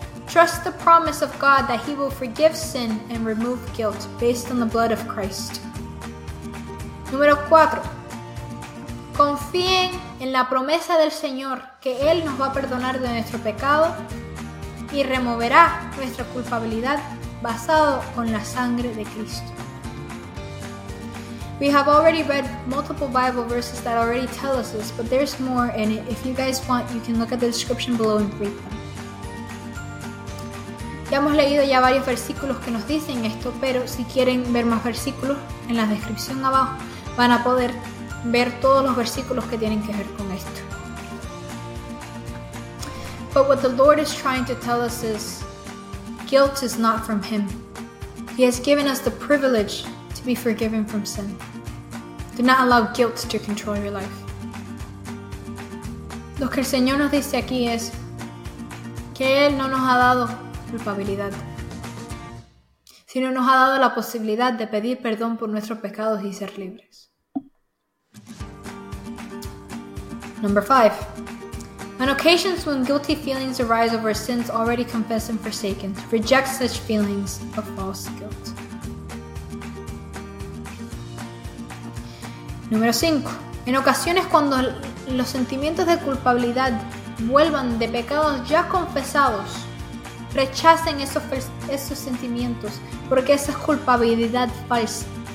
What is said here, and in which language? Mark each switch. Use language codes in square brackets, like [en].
[en] Trust the promise of God that He will forgive sin and remove guilt based on the blood of Christ. [es] Número 4. Confíen en la promesa del Señor que Él nos va a perdonar de nuestro pecado y removerá nuestra culpabilidad basado con la sangre de Cristo. [en] We have already read multiple Bible verses that already tell us this, but there's more in it. If you guys want, you can look at the description below and read them. [es] Ya hemos leído ya varios versículos que nos dicen esto, pero si quieren ver más versículos en la descripción abajo, van a poder ver todos los versículos que tienen que ver con esto. [en] But what the Lord is trying to tell us is, guilt is not from Him. He has given us the privilege to be forgiven from sin. Do not allow guilt to control your life. [es] Lo que el Señor nos dice aquí es que Él no nos ha dado culpabilidad, sino nos ha dado la posibilidad de pedir perdón por nuestros pecados y ser libres. [en] Number 5. On occasions when guilty feelings arise over sins already confessed and forsaken, reject such feelings of false guilt. [es] Número 5. En ocasiones cuando los sentimientos de culpabilidad vuelvan de pecados ya confesados, rechacen esos sentimientos porque esa es culpabilidad falsa.